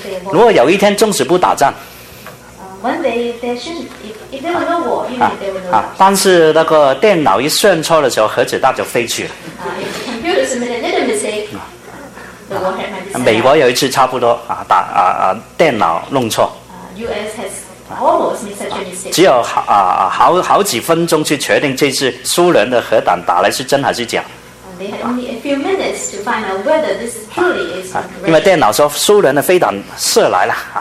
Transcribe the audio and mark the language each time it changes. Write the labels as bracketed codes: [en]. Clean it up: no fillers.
[zh] 如果有一天终止不打仗。 [en] One day there shouldn't. If there were no war, even if there were no war. [zh] 但是那个电脑一算错的时候，核子弹就飞去了。 [en] If computers made a little mistake, the war had. [zh] 美国有一次差不多电脑弄错。 [en] US has almost made such a mistake. [zh] 只有好几分钟去确定这次苏联的核弹打来是真还是假。因为电脑说苏联的飞弹射来了。